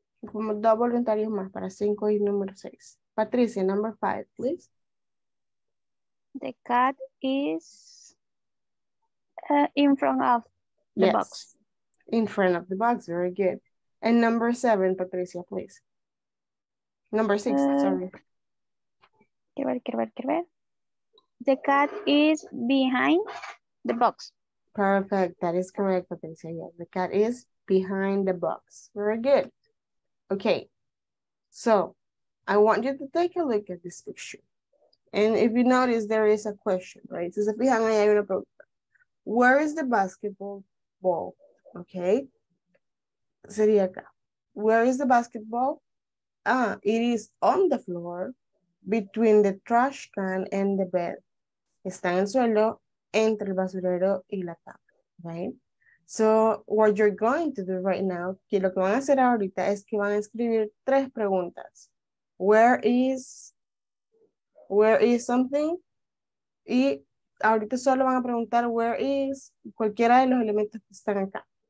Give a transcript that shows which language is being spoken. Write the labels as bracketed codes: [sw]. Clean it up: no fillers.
[es] Como dos voluntarios más para cinco y número seis. [en] Patricia, number five, please. The cat is in front of the box. In front of the box. Very good. And number seven, Patricia, please. Number six, sorry. [es] Quiero ver. [en] The cat is behind the box. Perfect. That is correct, Patricia. Yeah. The cat is behind the box. Very good. Okay. So I want you to take a look at this picture. And if you notice, there is a question, right? So behind me, I have a problem. Where is the basketball ball? Okay. [es] Sería acá. [en] Where is the basketball? It is on the floor between the trash can and the bed. [es] Está en el suelo entre el basurero y la cama, right? [en] So what you're going to do right now, [es] que lo que van a hacer ahorita es que van a escribir tres preguntas. [en] Where is something? [es] Y ahorita solo van a preguntar [en] where is [es] cualquiera de los elementos que están acá.